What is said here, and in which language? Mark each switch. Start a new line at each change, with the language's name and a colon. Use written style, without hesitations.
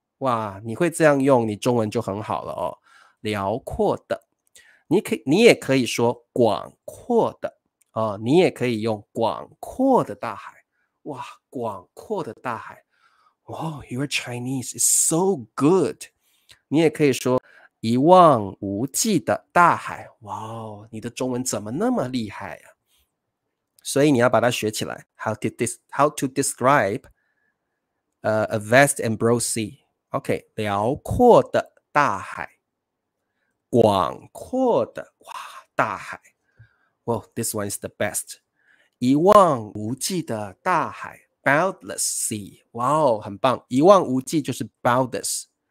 Chinese: 哇，你会这样用，你中文就很好了哦。辽阔的，你也可以说广阔的哦，你也可以用广阔的大海。哇，广阔的大海。
English: Oh, your Chinese is so good.
Chinese: 你也可以说一望无际的大海。哇哦，你的中文怎么那么厉害啊？所以你要把它学起来。
English: How to describe a vast and broad sea?
Chinese: OK, 辽阔的大海，广阔的哇大海。
English: Well, this one is the best.
Chinese: 一望无际的大海。
English: Boundless sea. Wow,
Chinese: 很棒。一望无际就是
English: boundless.